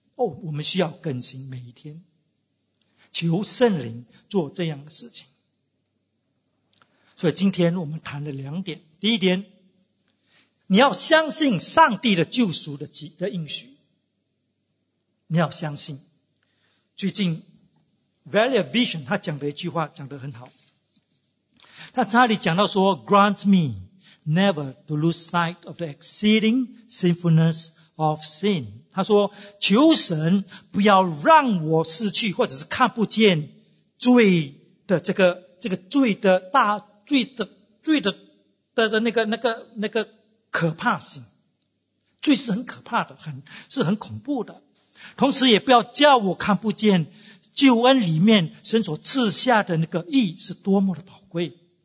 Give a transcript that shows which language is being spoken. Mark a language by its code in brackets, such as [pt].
[zh] 我们需要更新，每一天求圣灵做这样的事情。所以今天我们谈了两点，第一点，你要相信上帝的救赎的应许，你要相信。最近 Valley of Vision 他讲的一句话讲得很好，他在那里讲到说， [en] Grant meNever to lose sight of the exceeding sinfulness of sin. [zh] 他说，求神不要让我失去或者是看不见罪的这个罪的大罪的罪的的那个可怕性。罪是很可怕的，是很恐怖的。同时也不要叫我看不见救恩里面神所赐下的那个义是多么的宝贵。